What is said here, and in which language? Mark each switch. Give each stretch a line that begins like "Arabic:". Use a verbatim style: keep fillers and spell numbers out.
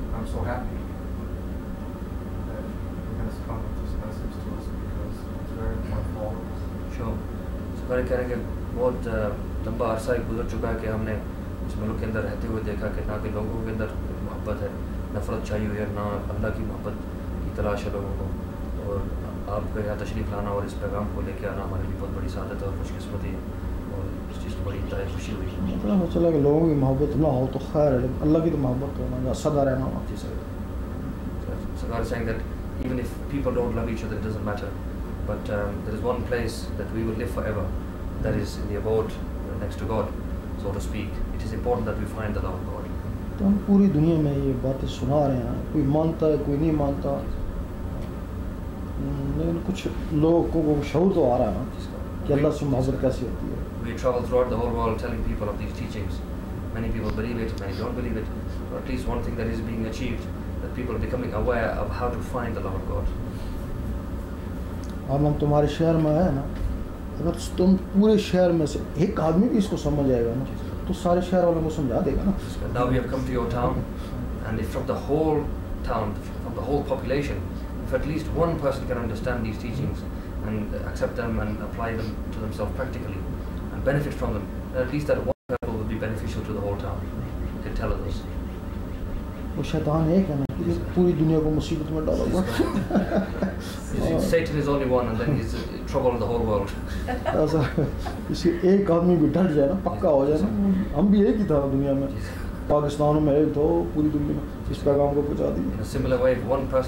English: So happy that you guys come with this message to us because it's very important for all of us. Sure. So I
Urdu: کہہ رہے کہ بہت لمبا عرصہ ایک گزر چکا ہے کہ ہم نے اس ملک کے اندر رہتے ہوئے دیکھا کہ نہ کہ لوگوں کے اندر محبت ہے, نفرت چھائی ہوئی ہے, نہ اللہ کی محبت کی تلاش ہے لوگوں کو. اور آپ کا یہاں تشریف لانا اور اس پیغام کو لے کے آنا ہمارے لیے بہت بڑی سعادت ہے اور خوش قسمتی ہے, اور اس چیز کی بڑی انتہائی خوشی ہوئی ہے. پتہ چلا کہ لوگوں کی محبت نہ ہو تو خیر ہے, اللہ کی تو محبت ہونا سدا رہنا ہونا.
English: So God is saying that even if people don't love each other, it doesn't matter. But um, there is one place that we will live forever, that is in the abode uh, next to God, so to speak. It is important that we find the love of God.
Urdu: تو ہم پوری دنیا میں یہ باتیں سنا رہے ہیں, کوئی مانتا ہے کوئی نہیں مانتا, لیکن کچھ لوگوں کو شعور تو آ رہا ہے نا کہ اللہ سے محبت کیسی ہوتی ہے.
English: We travel throughout the whole world telling people of these teachings. Many people believe it, many don't believe it. But at least one thing that is being achieved, that people are becoming aware of how to find the love of God.
Urdu: اب ہم تمہارے شہر میں آئے نا, اگر تم پورے شہر میں سے ایک آدمی بھی اس کو سمجھ آئے گا نا تو سارے شہر والوں کو سمجھا دے گا نا.
English: Now we have come to your town, and if from the whole town, from the whole population, if at least one person can understand these teachings and accept them and apply them to themselves practically and benefit from them, at least that one person will be beneficial to the whole town. You can tell others.
Urdu: وہ شیطان ایک ہے نا کہ پوری دنیا کو مصیبت میں ڈالا ہوا. اسے ایک آدمی بھی ڈر جائے نا, پکا ہو جائے نا, ہم بھی ایک ہی تھا دنیا میں, پاکستان میں ایک تھا, پوری دنیا میں اس پیغام کو پہنچا